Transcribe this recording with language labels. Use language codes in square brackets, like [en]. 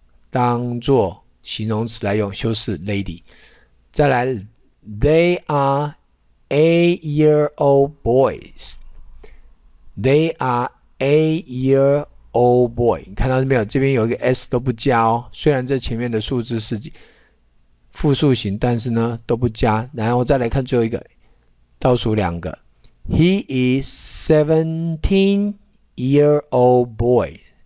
[zh] 当做形容词来用，修饰 lady。再来 [en] ，They are 8-year-old boys. They are 8-year-old boy. [zh] 看到没有？这边有一个 s 都不加哦。虽然这前面的数字是复数型，但是呢都不加。然后再来看最后一个，倒数两个。 [en] He is 17-year-old boy.